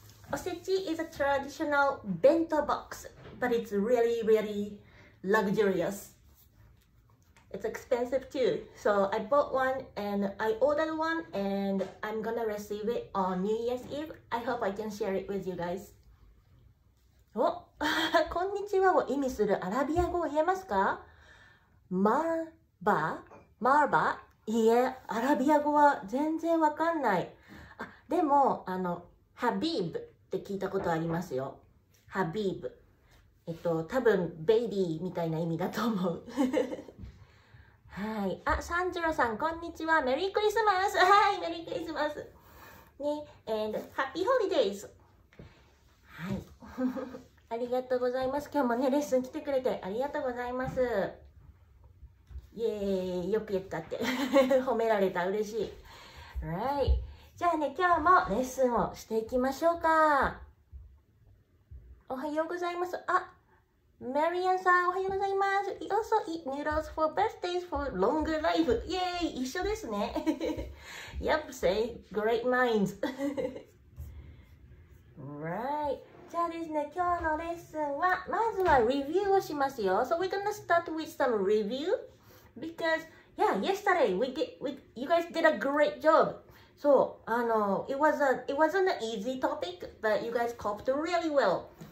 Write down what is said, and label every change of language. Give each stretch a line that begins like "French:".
English: Osechi is a traditional bento box, but it's really, really luxurious. It's expensive too. So I bought one and I ordered one and I'm gonna receive it on New Year's Eve. I hope I can share it with you guys.
Japanese: お、こんにちはを意味するアラビア語を言えますか？マーバー、マーバー、いえ、アラビア語は全然わかんない。あ、でも、ハビーブって聞いたことありますよ。ハビーブ。多分、ベイビーみたいな意味だと思う。はい。あ、サンジロさん、こんにちは。メリークリスマス。はい、メリークリスマス。ね、
English: and happy holidays。
Japanese: はい。ありがとうございます。今日もね、レッスン来てくれてありがとうございます。イエーイ、よく言ったって。褒められた、嬉しい。
English: Right.
Japanese: じゃあね、今日もレッスンをしていきましょうか。おはようございます。あ、マリアンさん、おはようございます。
English: You also eat noodles for birthdays for longer life.
Japanese: イエーイ、一緒ですね。
English: Yep, say great minds. Right.
Japanese: じゃあですね、今日のレッスンはまずはレビューをしますよ。
English: So we're gonna start with some review because yeah, yesterday you guys did a great job. So it wasn't an easy topic, but you guys coped really well.